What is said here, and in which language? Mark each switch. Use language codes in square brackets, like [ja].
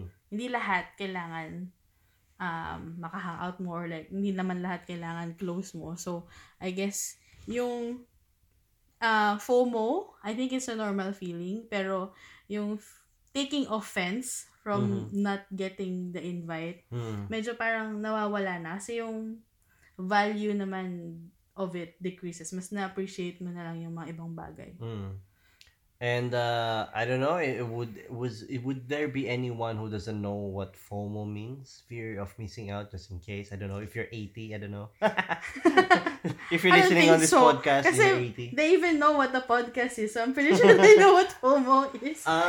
[tl] Hindi lahat kailangan maka-hang out mo, [en] or like [tl] hindi naman lahat kailangan close mo. [en] So I guess yung FOMO, I think it's a normal feeling, pero yung taking offense from not getting the invite, [tl] medyo parang nawawala na. Kasi yung [en] value naman of it decreases. [tl] Mas na-appreciate mo na lang yung mga ibang bagay. [en] And I don't know, would there be anyone who doesn't know what FOMO means? Fear of missing out, just in case. I don't know, if you're 80, I don't know. If you're listening on this podcast, you're 80. They even know what the podcast is, so I'm pretty sure they know what FOMO is.